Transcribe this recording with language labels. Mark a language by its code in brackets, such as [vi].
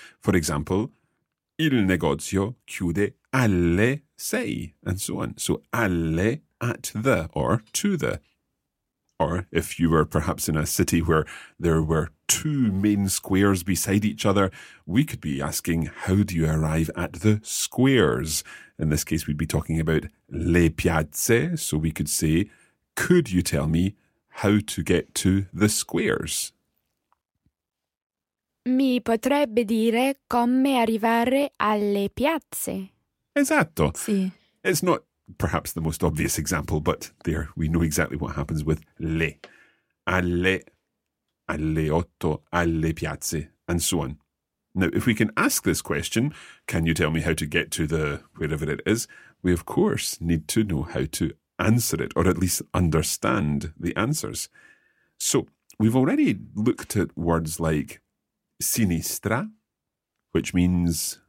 [en] For example, [it] il negozio chiude alle sei, [en] and so on. So alle, at the, or to the. Or if you were perhaps in a city where there were two main squares beside each other, we could be asking, how do you arrive at the squares? In this case, we'd be talking about [it] le piazze. [en] So we could say, could you tell me how to get to the squares? [it] Mi potrebbe dire come arrivare alle piazze. Esatto. Sì. [en] It's not perhaps the most obvious example, but there we know exactly what happens with le. [it] Alle, alle otto, alle piazze, [en] and so on. Now, if we can ask this question, can you tell me how to get to the wherever it is, we of course need to know how to answer it, or at least understand the answers. So, we've already looked at words like sinistra, which means